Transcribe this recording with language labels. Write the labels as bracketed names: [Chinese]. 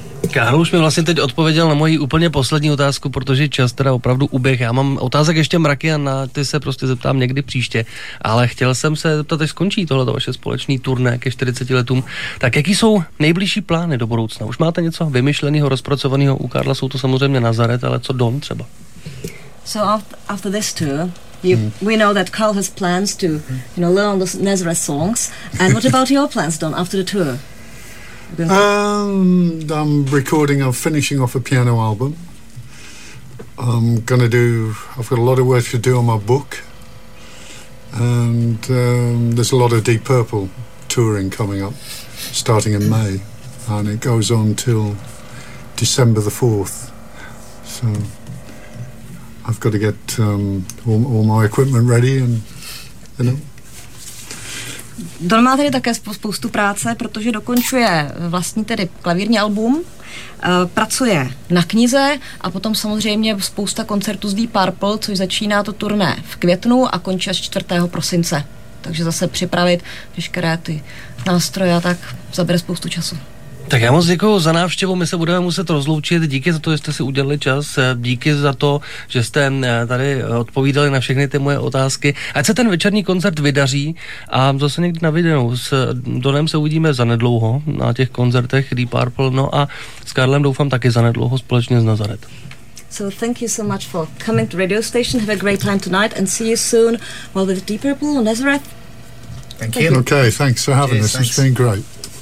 [Czech] Karel už mi vlastně teď odpověděl na moji úplně poslední otázku, protože čas teda opravdu uběh. Já mám otázek ještě mraky a na ty se prostě zeptám někdy příště. Ale chtěl jsem se zeptat, až skončí tohleto vaše společný turné ke 40 letům. Tak jaký jsou nejbližší plány do budoucna? Už máte něco vymyšleného, rozpracovaného? U Karla jsou to samozřejmě Nazaret, ale co Don třeba? [English] So after this tour, we know that Karl has plans to, you know, learn the Nazareth songs. And what about your plans, Don, after the tour? I'm recording, I'm finishing off a piano album. I've got a lot of work to do on my book. And there's a lot of Deep Purple touring coming up, starting in May. And it goes on till December the 4th. So I've got to get all my equipment ready and, you know. [Czech] Don má tady také spoustu práce, protože dokončuje vlastní tedy klavírní album, pracuje na knize a potom samozřejmě spousta koncertů z Deep Purple, což začíná to turné v květnu a končí až 4. prosince. Takže zase připravit všechny ty nástroje a tak zabere spoustu času. Tak já moc děkuju za návštěvu, my se budeme muset rozloučit. Díky za to, že jste si udělali čas, díky za to, že jste tady odpovídali na všechny ty moje otázky. Ať se ten večerní koncert vydaří a zase někdy na viděnou. S Donem se uvidíme zanedlouho na těch koncertech Deep Purple, no a s Karlem doufám taky zanedlouho společně z Nazaret. [English] So thank you so much for coming to radio station. Have a great time tonight and see you soon. Well, with Deep Purple, Nazareth. Thank you. Okay, thanks for having us. It's been great.